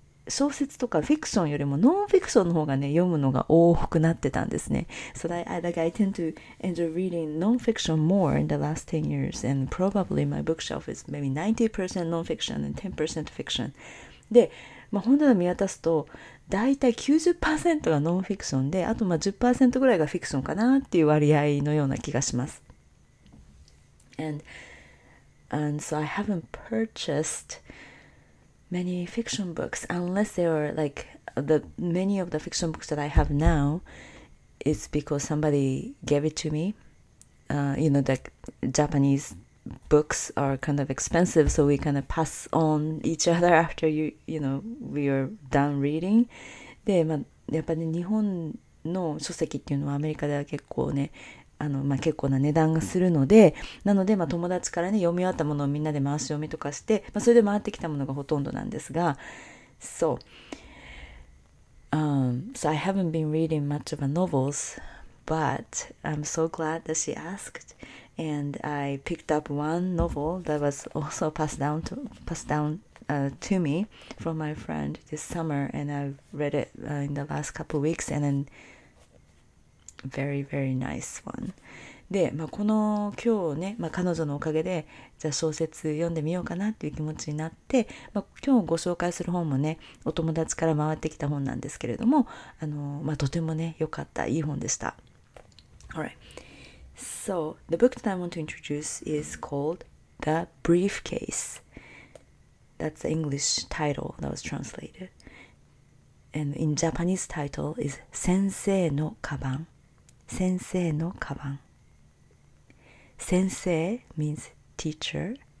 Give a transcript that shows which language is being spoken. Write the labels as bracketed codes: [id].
[ja] 小説とかフィクションよりもノンフィクションの方がね読むのが多くなってたんですね。 [en] So I tend to enjoy reading non-fiction more in the last 10 years and probably my bookshelf is maybe 90% non-fiction and 10% fiction. [ja] で、まあ、本棚見渡すとだいたい 90% がノンフィクションで、あとまあ 10% ぐらいがフィクションかなっていう割合のような気がします。 [en] And so I haven't purchased many fiction books unless they are like the many of the fiction books that I have now is because somebody gave it to me. You know, the Japanese books are kind of expensive, so we kind of pass on each other after you know we are done reading. [ja] で、まあ、やっぱり、ね、日本の書籍っていうのはアメリカでは結構ね。まあ、結構な値段がするので、なので、まあ、友達からね読み終わったものをみんなで回し読みとかして、まあ、それで回ってきたものがほとんどなんですが、 [en] So,so I haven't been reading much of a novels, but I'm so glad that she asked and I picked up one novel that was also passed down to me from my friend this summer and I read it in the last couple of weeks and then very very nice one. [ja] で、まあ、この今日ね、まあ、彼女のおかげでじゃあ小説読んでみようかなっていう気持ちになって、まあ、今日ご紹介する本もねお友達から回ってきた本なんですけれども、まあ、とてもね良かったいい本でした。 [en] Alright. So the book that I want to introduce is called The Briefcase. That's the English title that was translated. And in Japanese title is 先生のカバン。 [ja] 先生のカバン。先生 [en] means teacher.